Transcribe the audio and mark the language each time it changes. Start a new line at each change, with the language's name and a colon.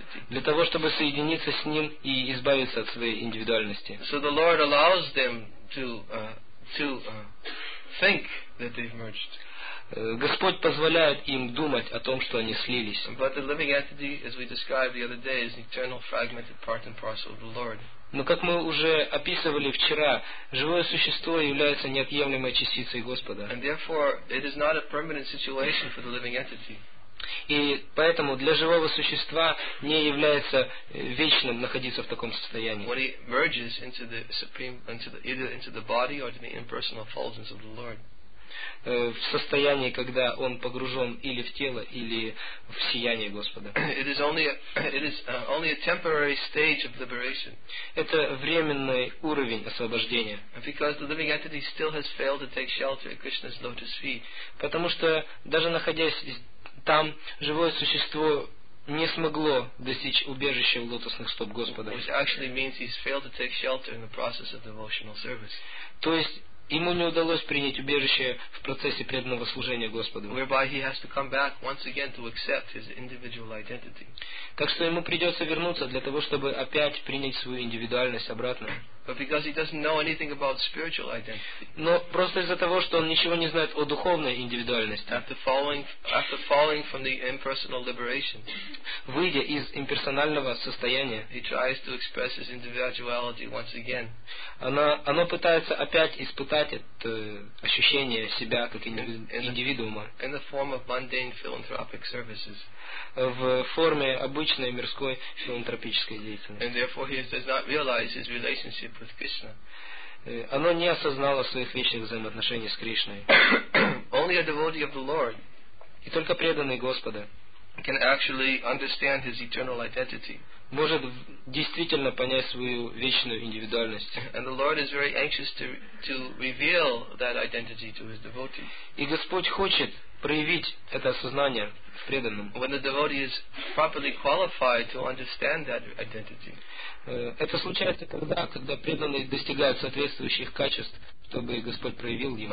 Russian: для того, чтобы соединиться с Ним и избавиться от своей индивидуальности.
English: So the Lord allows them to think that they've merged.
Russian: Господь позволяет им думать о том, что они слились.
English: But the living entity, as we described the other day, is an eternal fragmented part and parcel of the Lord.
Russian: Но как мы уже описывали вчера, живое существо является неотъемлемой частицей Господа.
English: And therefore, it is not a permanent situation for the living entity.
Russian: И поэтому для живого существа не является вечным находиться в таком состоянии.
English: When he merges into the supreme, into the body or to the impersonal fullness of the Lord.
Russian: В состоянии, когда он погружен или в тело, или в сияние Господа.
English: It is only a temporary stage of liberation.
Russian: Это временный уровень освобождения.
English: Because the living entity still has failed to take shelter at Krishna's lotus feet.
Russian: Потому что даже находясь там, живое существо не смогло достичь убежища в лотосных стоп Господа.
English: Which actually means he's failed to take shelter in the process of devotional service.
Russian: То есть ему не удалось принять убежище в процессе преданного служения Господу.
English: Whereby he has to come back once again to accept his individual identity.
Russian: Так что ему придется вернуться для того, чтобы опять принять свою индивидуальность обратно.
English: But because he doesn't know anything about spiritual identity.
Russian: Но просто из-за того, что он ничего не знает о духовной индивидуальности.
English: After falling from the impersonal liberation.
Russian: Выйдя из имперсонального состояния.
English: He tries to express his individuality once again.
Russian: Оно пытается опять испытать это ощущение себя как индивидуума.
English: In the form of mundane philanthropic services.
Russian: В форме обычной мирской филантропической деятельности.
English: And therefore he does not realize his relationship.
Russian: Оно не осознало своих вечных взаимоотношений с Кришной.
English: Only a devotee of the Lord.
Russian: И только преданный Господа.
English: Can actually understand his eternal identity.
Russian: Может действительно понять свою вечную индивидуальность.
English: And the Lord is very anxious to reveal that identity to his devotee.
Russian: И Господь хочет проявить это осознание в преданном.
English: When the devotee is properly qualified to understand that identity.
Russian: Это случается тогда, когда преданный достигает соответствующих качеств, чтобы Господь проявил ему.